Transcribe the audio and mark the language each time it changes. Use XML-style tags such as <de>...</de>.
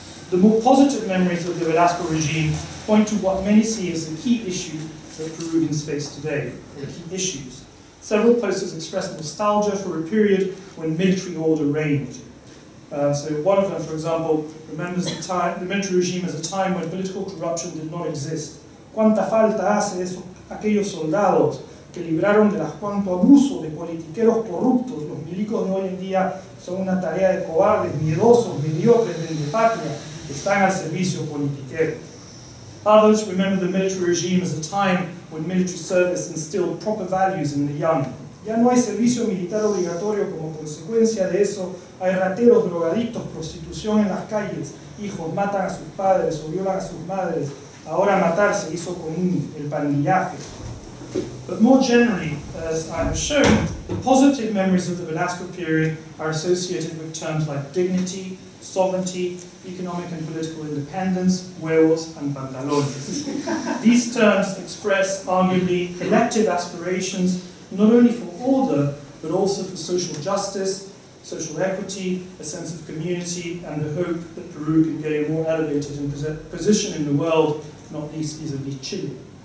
<en>The more positive memories of the Velasco regime point to what many see as the key issue that Peruvians face today, the key issues. Several posters express nostalgia for a period when military order reigned. So one of them, for example, remembers the time, the military regime as a time when political corruption did not exist.</en> <es>¿Cuánta falta hace eso, aquellos soldados que libraron de las cuánto abuso de politiqueros corruptos? Los milicos de hoy en día son una tarea de cobardes, miedosos, mediocres, de patria, están al servicio politiquero.</es> <en>Others remember the military regime as a time when military service instilled proper values in the young.</en> <es>Ya no hay servicio militar obligatorio, como consecuencia de eso hay rateros, drogadictos, prostitución en las calles, hijos matan a sus padres o violan a sus madres, ahora matar se hizo común, el pandillaje.</es> <en>But more generally, as I have shown, the positive memories of the Velasco period are associated with terms like dignity, sovereignty, economic and political independence, huevos, and pantalones. These terms express, arguably, collective aspirations, not only for order, but also for social justice, social equity, a sense of community, and the hope that Peru can gain a more elevated position in the world, not least vis-a-vis Chile.</en>